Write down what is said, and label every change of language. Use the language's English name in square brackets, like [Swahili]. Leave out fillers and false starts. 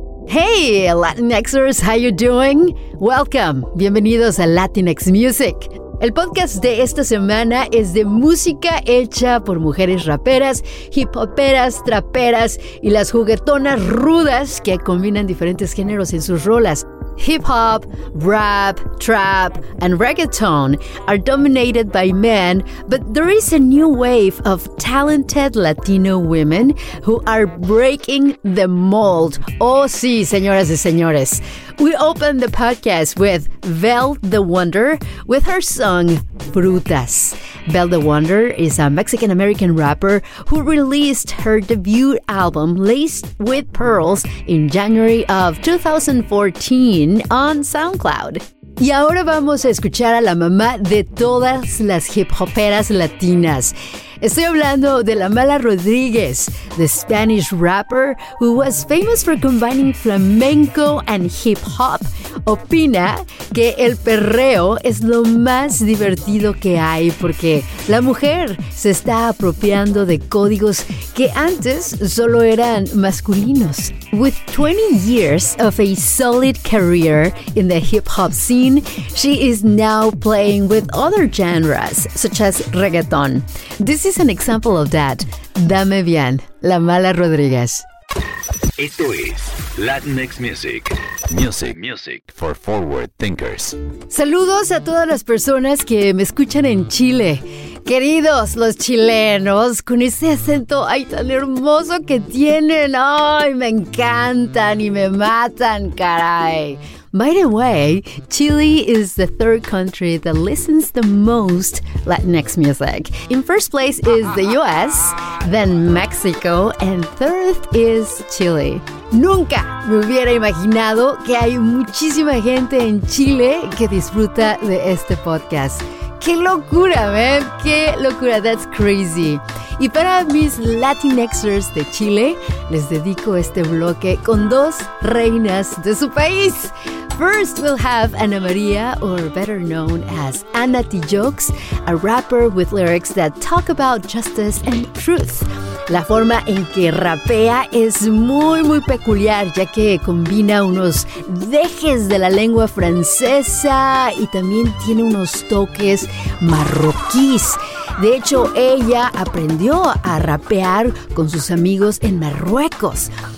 [English] Hey, Latinxers, how you doing? Welcome. [Spanish] Bienvenidos a Latinx Music. El podcast de esta semana es de música hecha por mujeres raperas, hip hoperas, traperas y las juguetonas rudas que combinan diferentes géneros en sus rolas. [English] Hip hop, rap, trap, and reggaeton are dominated by men, but there is a new wave of talented Latino women who are breaking the mold. [Spanish] Oh, sí, señoras y señores. [English] We open the podcast with Vel the Wonder with her song Frutas. Vel the Wonder is a Mexican-American rapper who released her debut album Laced with Pearls in January of 2014 on SoundCloud. [Spanish] Y ahora vamos a escuchar a la mamá de todas las hip-hoperas latinas. Estoy hablando de [English] La Mala Rodríguez, the Spanish rapper who was famous for combining flamenco and hip-hop. [Spanish] Opina que el perreo es lo más divertido que hay porque la mujer se está apropiando de códigos que antes solo eran masculinos. [English] With 20 years of a solid career in the hip-hop scene, she is now playing with other genres, such as reggaeton. This is an example of that. Dame bien, La Mala Rodríguez. [Spanish] Esto es Latinx Music. [English] Music for forward thinkers. [Spanish] Saludos a todas las personas que me escuchan en Chile. Queridos los chilenos, con ese acento ay tan hermoso que tienen, ay, me encantan y me matan, caray. [English] By the way, Chile is the third country that listens the most Latinx music. In first place is the US, then Mexico, and third is Chile. [Spanish] Nunca me hubiera imaginado que hay muchísima gente en Chile que disfruta de este podcast. ¡Qué locura, man! ¡Qué locura! [English] That's crazy. [Spanish] Y para mis Latinxers de Chile, les dedico este bloque con dos reinas de su país. [English] First, we'll have Ana María, or better known as Ana Tijoux, a rapper with lyrics that talk about justice and truth. [Spanish] La forma en que rapea es muy, muy peculiar, ya que combina unos dejes de la lengua francesa y también tiene unos toques marroquíes. De hecho, ella aprendió a rapear con sus amigos en Marruecos.